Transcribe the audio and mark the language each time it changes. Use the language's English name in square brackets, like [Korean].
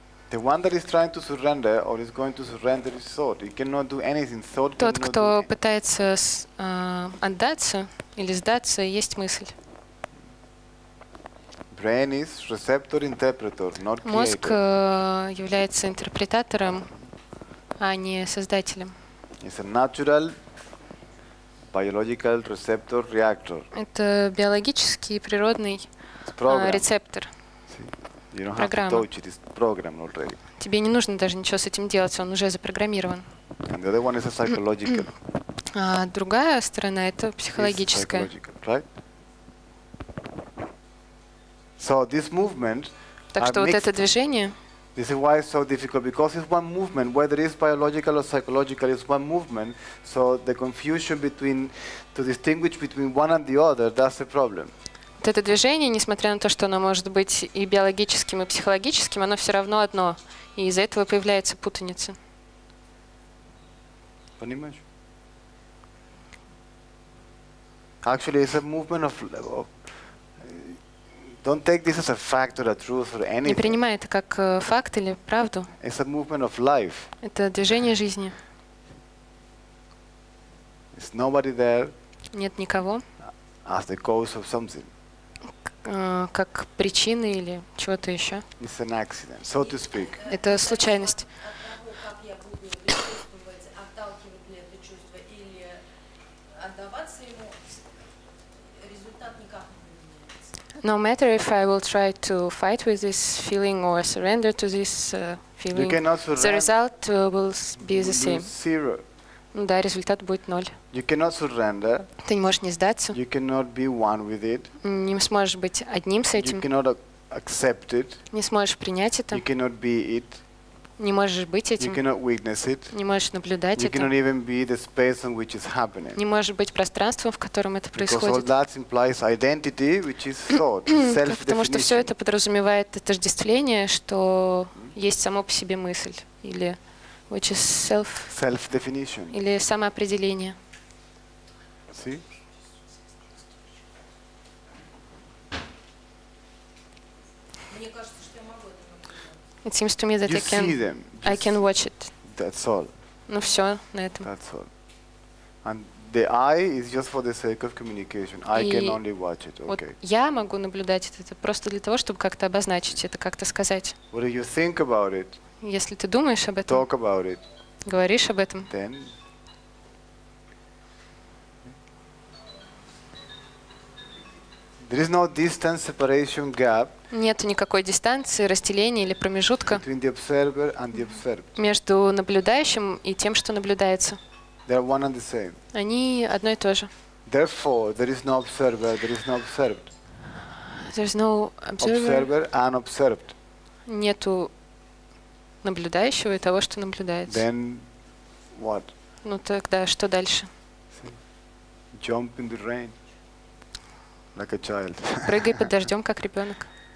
[English] The one that is trying to surrender or is going to surrender is thought. He cannot do anything. Thought cannot do anything. [Russian] Тот, кто пытается отдаться или сдаться, есть мысль. [English] Brain is receptor interpreter, not creator. [Russian] Мозг является интерпретатором, а не создателем. [English] It's a natural biological receptor reactor. [Russian] Это биологический природный рецептор. [English] You don't have to touch it, it's programmed already. [Russian] Тебе не нужно даже ничего с этим делать, он уже запрограммирован. [English] And the other one is a psychological. [Russian] А другая сторона — это психологическая. [English] It's psychological, right? So this movement, [Russian] так что вот это движение... [English] This is why it's so difficult, because it's one movement, whether it's biological or psychological, it's one movement, so the confusion between, to distinguish between one and the other, that's the problem. [Russian] Вот это движение, несмотря на то, что оно может быть и биологическим, и психологическим, оно все равно одно. И из-за этого появляется путаница. Понимаешь? [English] Actually, it's a movement of... Don't take this as a fact or a truth or anything. [Russian] Не принимай это как факт или правду. [English] It's a movement of life. [Russian] Это движение жизни. [English] It's nobody there. [Russian] Нет никого. [English] As the cause of something. [Russian] Как причины или чего-то еще. [English] It's an accident, so to speak. [Russian] Это случайность. От того, как я буду чувствовать, отталкивать ли это чувство или отдаваться ему, результат никак не меняется. [English] No matter if I will try to fight with this feeling or surrender to this feeling, the result will be the same. Zero. [Russian] Да, результат будет ноль. [English] You cannot surrender. [Russian] Ты не можешь не сдаться. [English] You cannot be one with it. [Russian] Не сможешь быть одним с этим. [English] You cannot accept it. [Russian] Не сможешь принять это. [English] You cannot be it. [Russian] Не можешь быть этим. [English] You cannot witness it. [Russian] Не можешь наблюдать это. [English] You cannot even be the space in which it's happening. [Russian] Не можешь быть пространством, в котором это происходит. [English] Because all that implies identity, which is thought, self-definition. [Russian] Потому что все это подразумевает отождествление, что есть само по себе мысль или... [English] Which is self, self-definition. [Russian] Или самоопределение. [English] See? It seems to me that you I can see them. I can watch it. That's all. [Russian] Ну все на этом. [English] That's all. And the eye is just for the sake of communication. I can only watch it. Okay. [Russian] Вот я могу наблюдать это просто для того, чтобы как-то обозначить это, как-то сказать. [English] What do you think about it? [Russian] Если ты думаешь об этом, [English] talk about it, [Russian] говоришь об этом, [English] then... There is no distance, separation, gap. [Russian] Нет никакой дистанции, разделения или промежутка [English] between the observer and the observed. [Russian] Между наблюдающим и тем, что наблюдается. [English] They are one and the same. [Russian] Они одно и то же. [English] Therefore, there is no observer, there is no observed. There's no observer. Observer and observed. [Russian] Нету наблюдающего и того, что наблюдается. [English] Then what? [Russian] Ну тогда что дальше? [English] See? Jump in the rain like a child. [Russian] Прыгай под дождем, как ребенок.